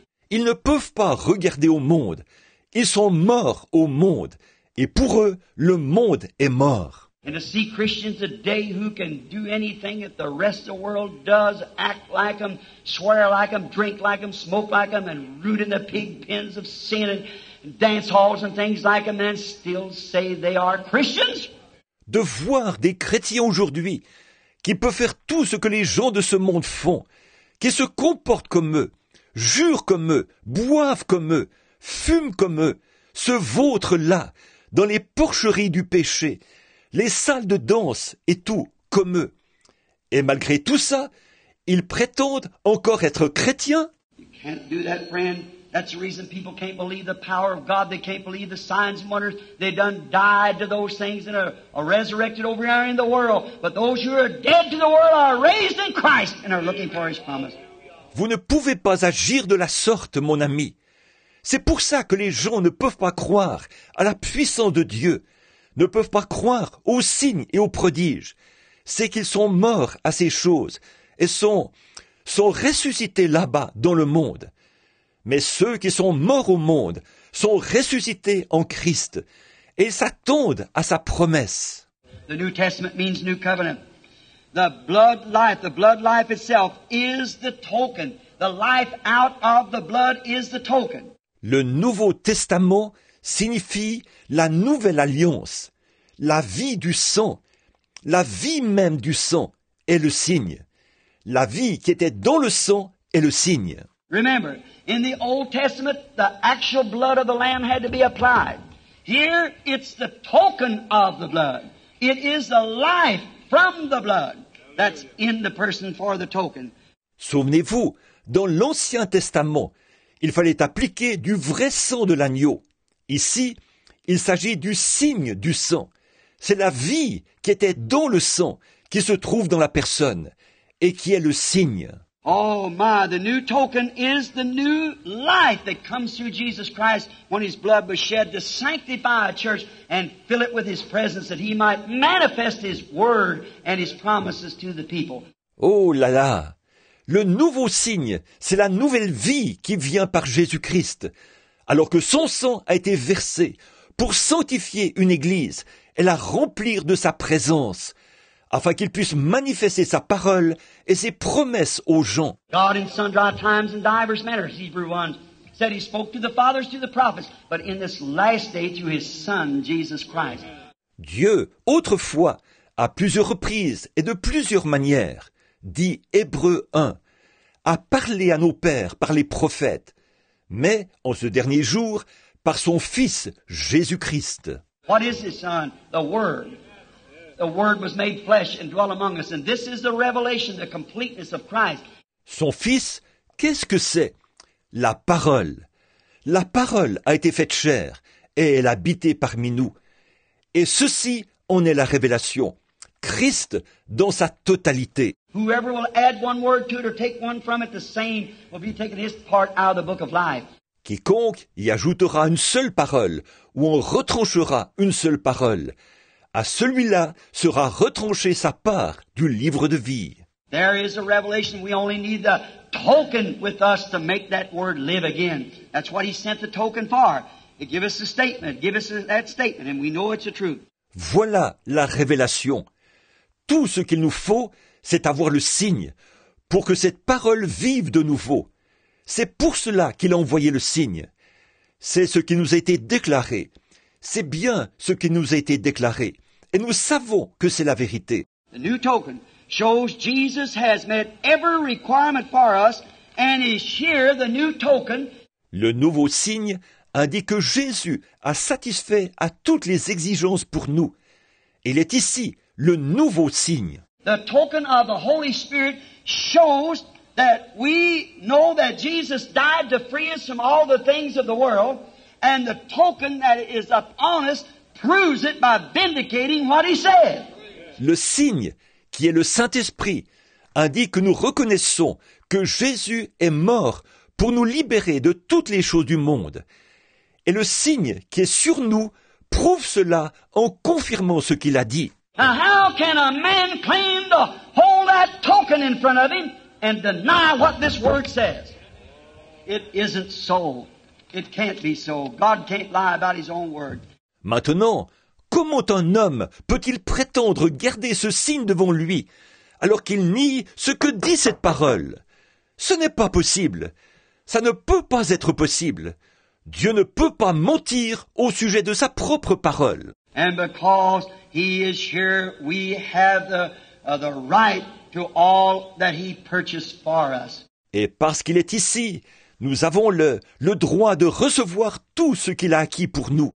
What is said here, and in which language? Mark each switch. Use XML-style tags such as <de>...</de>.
<fr>Ils ne peuvent pas regarder au monde. Ils sont morts au monde. Et pour eux, le monde est mort.</fr> <en>And to see Christians today who can do anything that the rest of the world does, act like them, swear like them, drink like them, smoke like them, and root in the pig pens of sin and dance halls and things like them, and still say they are Christians.</en> <fr>De voir des chrétiens aujourd'hui qui peuvent faire tout ce que les gens de ce monde font, qui se comportent comme eux, jurent comme eux, boivent comme eux, fument comme eux, se vautrent là, dans les porcheries du péché, les salles de danse et tout, comme eux. Et malgré tout ça, ils prétendent encore être chrétiens.</fr> <en>You can't do that, friend. That's the reason people can't believe the power of God. They can't believe the signs and wonders. They've done died to those things and are resurrected over here in the world. But those who are dead to the world are raised in Christ and are looking for his promise.</en> <fr>Vous ne pouvez pas agir de la sorte, mon ami. C'est pour ça que les gens ne peuvent pas croire à la puissance de Dieu, ne peuvent pas croire aux signes et aux prodiges. C'est qu'ils sont morts à ces choses et sont ressuscités là-bas dans le monde. Mais ceux qui sont morts au monde sont ressuscités en Christ et s'attendent à sa promesse.</fr> <en>The New Testament means new covenant. The blood life itself is the token. The life out of the blood is the token.</en> <fr>Le Nouveau Testament signifie la nouvelle alliance. La vie du sang, la vie même du sang est le signe. La vie qui était dans le sang est le signe.</fr> <en>Remember, in the Old Testament, the actual blood of the lamb had to be applied. Here, it's the token of the blood. It is the life from the blood that's in the person for the token.</en> <fr>Souvenez-vous, Dans l'Ancien Testament, il fallait appliquer du vrai sang de l'agneau. Ici, il s'agit du signe du sang. C'est la vie qui était dans le sang, qui se trouve dans la personne, et qui est le signe.</fr> <en>Oh my, the new token is the new life that comes through Jesus Christ when His blood was shed to sanctify a church and fill it with His presence that He might manifest His word and His promises to the people.</en> <fr>Oh là là, le nouveau signe, c'est la nouvelle vie qui vient par Jésus-Christ, alors que son sang a été versé pour sanctifier une église et la remplir de sa présence, afin qu'il puisse manifester sa parole et ses promesses aux gens.</fr> <en>God in sundry times and divers manners, Hebrews 1 said He spoke to the fathers, to the prophets, but in this last day to His Son, Jesus Christ.</en> <fr>Dieu, autrefois, à plusieurs reprises et de plusieurs manières, dit Hébreux 1, a parlé à nos pères par les prophètes, mais en ce dernier jour, par son Fils, Jésus-Christ.</fr> <en>What is His Son? The Word. The Word was made flesh and dwelt among us, and this is the revelation, the completeness of Christ.</en> <fr>Son Fils, qu'est-ce que c'est? La parole. La parole a été faite chair, et elle habitait parmi nous. Et ceci en est la révélation. Christ dans sa totalité.</fr> <en>Whoever will add one word to it or take one from it, the same will be taking his part out of the book of life.</en> <fr>Quiconque y ajoutera une seule parole, ou en retranchera une seule parole, à celui-là sera retranchée sa part du livre de vie.</fr> <en>There is a revelation. We only need the token with us to make that word live again. That's what He sent the token for. It gives us a statement. Give us that statement, and we know it's the truth.</en> <fr>Voilà la révélation. Tout ce qu'il nous faut, c'est avoir le signe pour que cette parole vive de nouveau. C'est pour cela qu'il a envoyé le signe. C'est ce qui nous a été déclaré. C'est bien ce qui nous a été déclaré, et nous savons que c'est la vérité.</fr> <en>The new token shows Jesus has met every requirement for us and is here the new token.</en> <fr>Le nouveau signe indique que Jésus a satisfait à toutes les exigences pour nous. Il est ici le nouveau signe.</fr> <en>The token of the Holy Spirit shows that we know that Jesus died to free us from all the things of the world. And the token that is upon us proves it by vindicating what He said.</en> <fr>Le signe, qui est le Saint-Esprit, indique que nous reconnaissons que Jésus est mort pour nous libérer de toutes les choses du monde. Et le signe qui est sur nous prouve cela en confirmant ce qu'il a dit.</fr> <en>Now how can a man claim to hold that token in front of him and deny what this word says? It isn't so. It can't be so. God can't lie about His own word.</en> <fr>Maintenant, comment un homme peut-il prétendre garder ce signe devant lui alors qu'il nie ce que dit cette parole? Ce n'est pas possible. Ça ne peut pas être possible. Dieu ne peut pas mentir au sujet de sa propre parole.</fr> <en>And because He is here, we have the right to all that He purchased for us.</en> <fr>Et parce qu'il est ici, nous avons le droit de recevoir tout ce qu'il a acquis pour nous.</fr>